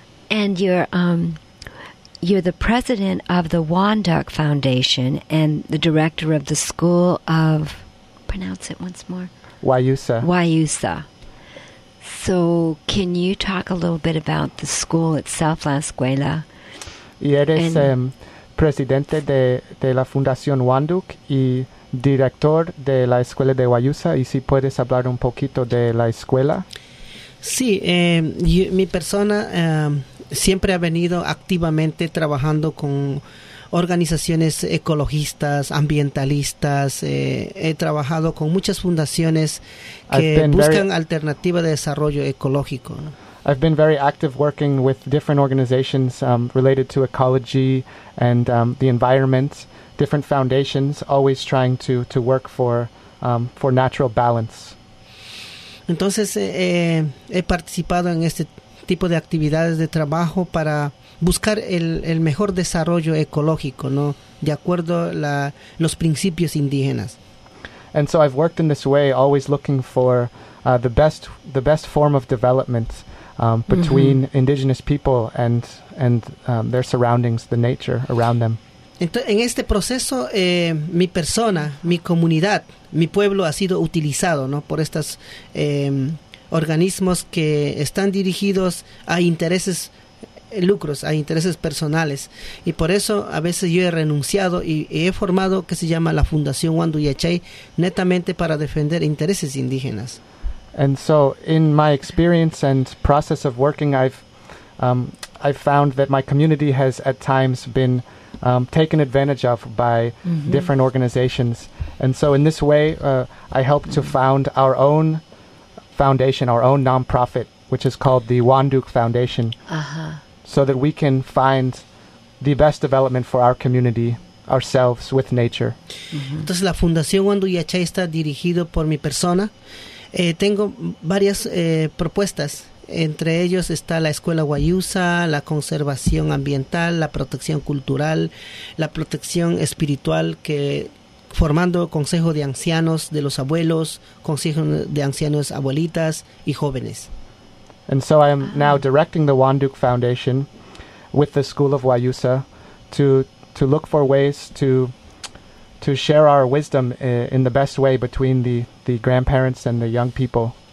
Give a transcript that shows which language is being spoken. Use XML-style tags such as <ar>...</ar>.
<en>And you're the president of the Wanduk Foundation and the director of the school of, pronounce it once more. Wayusa. Wayusa. So, can you talk a little bit about the school itself,</en> <es>La Escuela? Y eres presidente de la Fundación Wanduk y director de la Escuela de Wayusa. Y si puedes hablar un poquito de la escuela. Sí, mi persona siempre ha venido activamente trabajando con organizaciones ecologistas, ambientalistas. He trabajado con muchas fundaciones que buscan alternativas de desarrollo ecológico.</es> <en>I've been very active working with different organizations related to ecology and the environment, different foundations, always trying to work for natural balance.</en> <es>Entonces, he participado en este tipo de actividades de trabajo para buscar el mejor desarrollo ecológico, ¿no? De acuerdo a los principios indígenas.</es> <en>And so I've worked in this way, always looking for the best form of development between mm-hmm. indigenous people and their surroundings, the nature around them.</en> <es>Entonces, en este proceso, mi persona, mi comunidad, mi pueblo ha sido utilizado, ¿no? Por estos organismos que están dirigidos a intereses lucros, a intereses personales. Y por eso a veces yo he renunciado y he formado que se llama la Fundación Wandu Yachay, netamente para defender intereses indígenas.</es> <en>And so in my experience and process of working, I've found that my community has at times been taken advantage of by mm-hmm. different organizations. And so in this way, I helped mm-hmm. to found our own foundation, our own nonprofit, which is called the Wanduk Foundation, so that we can find the best development for our community, ourselves, with nature. Mm-hmm.</en> <es>Entonces la Fundación Wandu Yachay está dirigido por mi persona. Tengo varias propuestas. Entre ellos está la Escuela Guayusa, la conservación ambiental, la protección cultural, la protección espiritual, que formando consejo de ancianos de los abuelos, consejo de ancianos abuelitas y jóvenes.</es> <en>And so I am now directing the Wanduk Foundation with the School of Guayusa to look for ways to share our wisdom in the best way between the grandparents and the young people.</en>